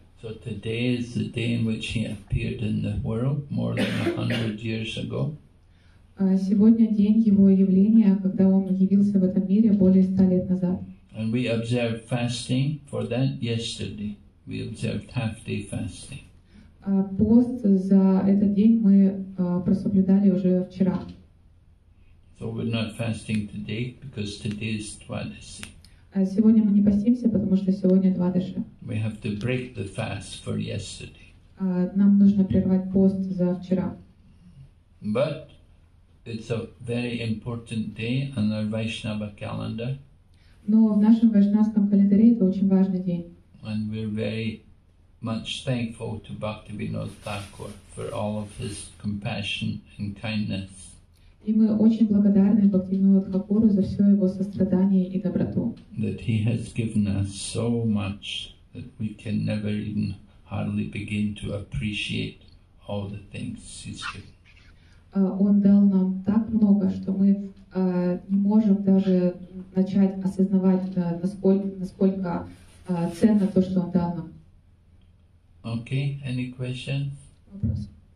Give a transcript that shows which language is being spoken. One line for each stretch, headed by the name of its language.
English: So today is the day in which he appeared in the world more than 100 years ago.
Russian: Сегодня день его явления, когда он явился в этом мире более 100 лет назад.
English: And we observed fasting for that yesterday. We observed half day fasting.
Russian: Пост за этот день мы прособлюдали уже вчера.
English: So we're not fasting today because today is Dvadasi.
Russian: Сегодня мы не постимся, потому что сегодня Двадаши.
English: We have to break the fast for yesterday.
Russian: Нам нужно прервать пост за вчера.
English: But it's a very important day on our Vaishnava calendar.
Russian: Но в нашем вайшнавском календаре это очень важный день.
English: And we're very much thankful to Bhaktivinoda Thakur for all of his compassion and kindness.
Russian: И мы очень благодарны Бхактивинода Тхакуру за все его сострадание и доброту.
English: That he has given us so much that we can never even hardly begin to appreciate all the things he's given.
Russian: Он дал нам так много, что мы не можем даже начать осознавать, насколько ценно то, что он дал нам.
English: Okay, any questions?
Russian: Вопрос.